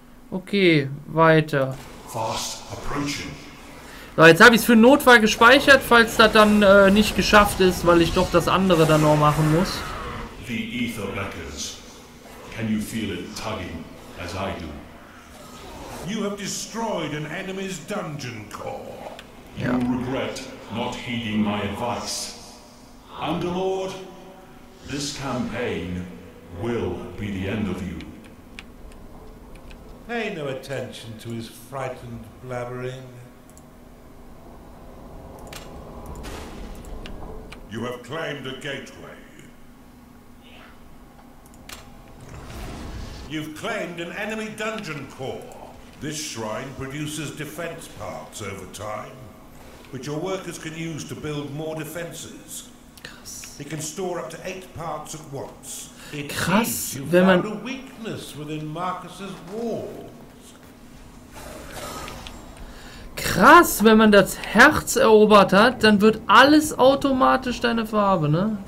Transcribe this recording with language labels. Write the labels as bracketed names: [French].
[German] Okay, weiter. [English] Fast approaching. [German] So, jetzt habe ich es für Notfall gespeichert, falls das dann nicht geschafft ist, weil ich doch das andere dann noch machen muss. [English] The ether beckons. Can you feel it tugging as I do? You have destroyed an enemy's dungeon core. You regret not heeding my advice. Underlord, this campaign will be the end of you. Pay no attention to his frightened blabbering. You have claimed a gateway. You've claimed an enemy dungeon core. This shrine produces defense parts over time, which your workers can use to build more defenses. It can store up to 8 parts at once. It [German] Krass, [English] means you [German] wenn [English] found [German] man [English] a weakness within Marcus's walls. [German] Krass, wenn man das Herz erobert hat, dann wird alles automatisch deine Farbe, ne?